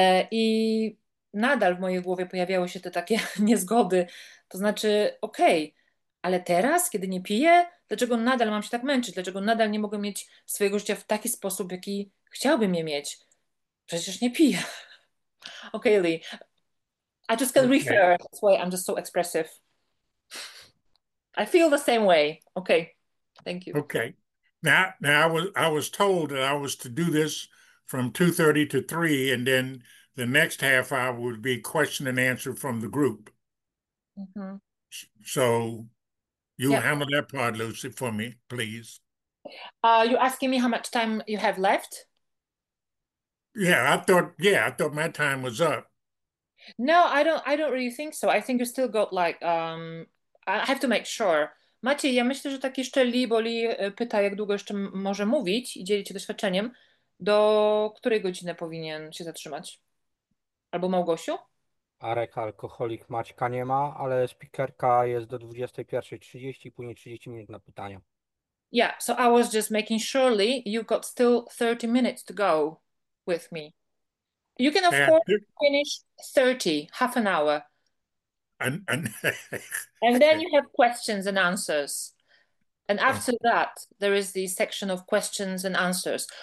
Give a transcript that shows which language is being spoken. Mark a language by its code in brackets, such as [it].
[pl] I nadal w mojej głowie pojawiały się te takie niezgody. To znaczy, okej, ale teraz, kiedy nie piję, dlaczego nadal mam się tak męczyć? Dlaczego nadal nie mogę mieć swojego życia w taki sposób, jaki chciałbym je mieć? Przecież nie piję. Okej, Lee. [en] I just got Okay. reefer. That's why I'm just so expressive. I feel the same way. Okay. Thank you. Okay. Now I was told that I was to do this from 2:30 to 3, and then the next half hour would be question and answer from the group. So you handle that part, Lucy, for me, please. You're asking me how much time you have left? I thought my time was up. No, I don't really think so. I think you still got like I have to make sure. [pl] Maciej, ja myślę, że tak jeszcze Lee, bo Lee pyta, jak długo jeszcze może mówić i dzielić się doświadczeniem, do której godziny powinien się zatrzymać? Albo Małgosiu? Arek, alkoholik, Maćka nie ma, ale speakerka jest do 21:30, później 30 minut na pytania. [en] Yeah, so I was just making sure, Lee, you've got still 30 minutes to go with me. You can of course finish 30, half an hour. And then you have questions and answers. And after that, there is the section of questions and answers.